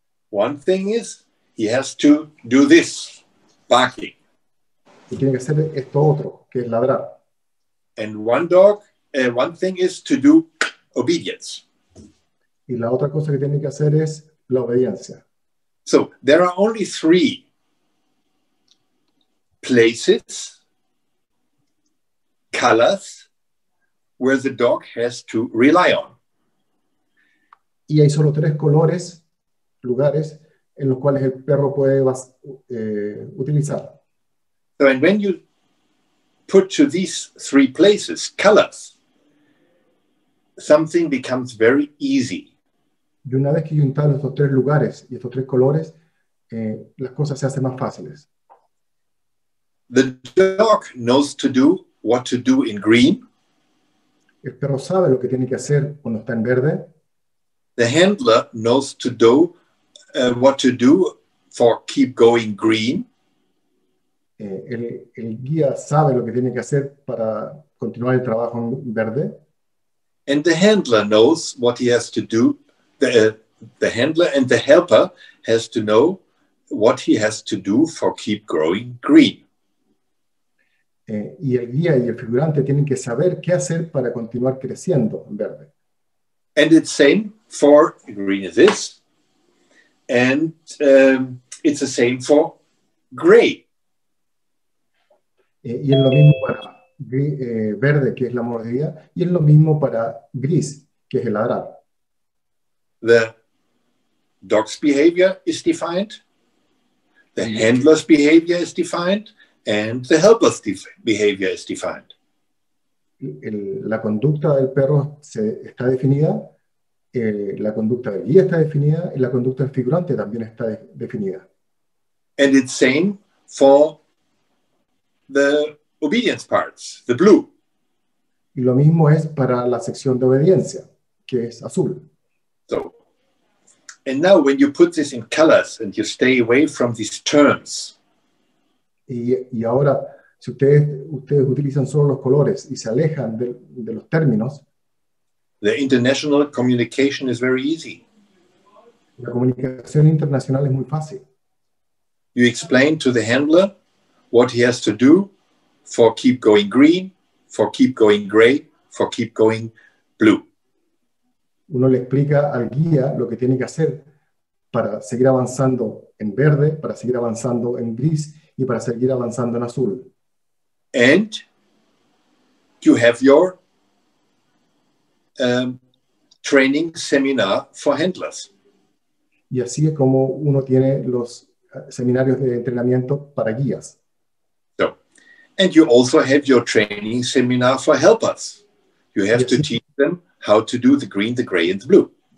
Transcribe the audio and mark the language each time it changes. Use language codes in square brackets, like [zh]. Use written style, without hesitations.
[en] One thing is, he has to do this, barking. [es] Y tiene que hacer esto otro, que es ladrar. [en] And one dog, one thing is to do obedience. [es] Y la otra cosa que tiene que hacer es la obediencia. [en] So, there are only three places, colors, where the dog has to rely on. [es] Y hay solo tres colores, lugares, en los cuales el perro puede utilizar. [en] So, and when you put to these three places colors, something becomes very easy. [es] Y una vez que juntas estos tres lugares y estos tres colores, las cosas se hacen más fáciles. [en] The dog knows to do what to do in green. [es] El perro sabe lo que tiene que hacer cuando está en verde. [en] The handler knows to do what to do for keep going green. [es] El guía sabe lo que tiene que hacer para continuar el trabajo en verde. [en] And the handler knows what he has to do. The handler and the helper has to know what he has to do for keep growing green. [es] Y el guía y el figurante tienen que saber qué hacer para continuar creciendo en verde. [en] And it's same for green is this. And it's the same for gray. [es] Y es lo mismo para gris, verde, que es la mordida, y es lo mismo para gris, que es el arado. [en] The dog's behavior is defined, the handler's behavior is defined, and the helper's behavior is defined. [es] La conducta del perro está definida, la conducta del guía está definida, y la conducta del figurante también está definida. [en] And it's same for the obedience parts, the blue. [es] Y lo mismo es para la sección de obediencia, que es azul. [en] So, and now when you put this in colors and you stay away from these terms. [es] Y ahora, si ustedes utilizan solo los colores y se alejan de los términos. [en] The international communication is very easy. [es] La comunicación internacional es muy fácil. [en] You explain to the handler what he has to do for keep going green, for keep going gray, for keep going blue. [es] Uno le explica al guía lo que tiene que hacer para seguir avanzando en verde, para seguir avanzando en gris y para seguir avanzando en azul. [en] And you have your training seminar for handlers. [es] Y así es como uno tiene los seminarios de entrenamiento para guías. [en] So, and you also have your training seminar for helpers. You have to teach them how to do the green, the gray, and the blue.